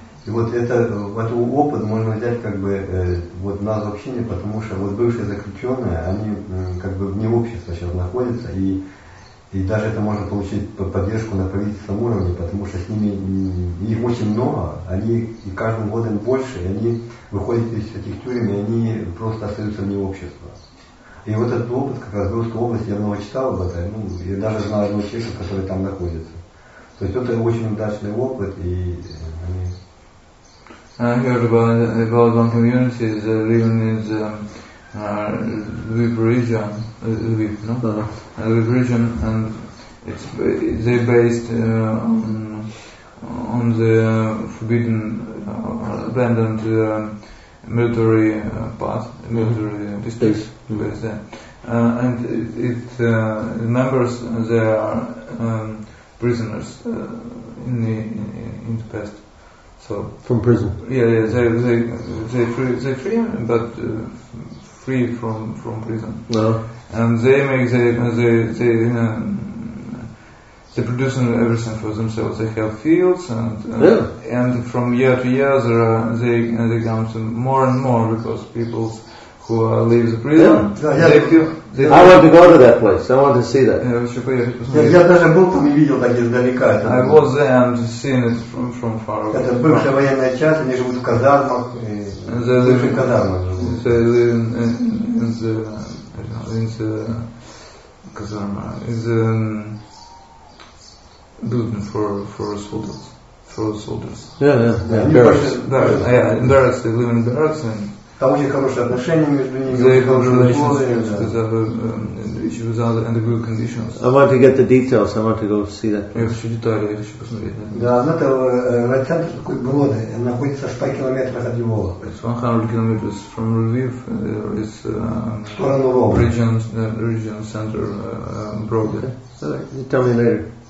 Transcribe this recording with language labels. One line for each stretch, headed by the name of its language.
Russian: И вот этот опыт можно взять как бы вот на общение, потому что вот бывшие заключенные, они как бы вне общества сейчас находятся, и даже это можно получить поддержку на правительственном уровне, потому что с ними их очень много, они и каждым годом больше, и они выходят из этих тюрем, и они просто остаются вне общества. И вот этот опыт как раз в Русской области, я много читал об этом, ну, я даже знаю одного человека, который там находится. То есть это очень удачный опыт, и они...
English: I heard about one community that living in the Lviv region, and they based on the forbidden, abandoned military path, military district base there. And the members they are prisoners in the past. So from prison. Yeah, they free, but free from prison. No. And they make they produce everything for themselves. They have fields and from year to year they come to more and more because people who leave the prison. Yeah. I want to go to that place. I want to see that.
Russian: Я даже был там и видел так издалека.
English: I was there and seen it from far away.
Russian: Это бывшая военная часть, они живут в казармах. В бывших казармах живут.
English: They live in the казарма. In the building for soldiers. For soldiers. Yeah. Barracks. Yeah, in barracks. They live in barracks.
Russian: Там очень хорошие отношения между ними, очень хорошие условия.
English: And the good conditions. I want to get the details. I want to go see that.
Russian: Я хочу детали, я хочу посмотреть. Да, это райцентр такой Броды, находится 100 километров от Львова.
English: It's 100 kilometers from Lviv. It's
Russian: в сторону Львова.
English: Region center Броды. You tell me later.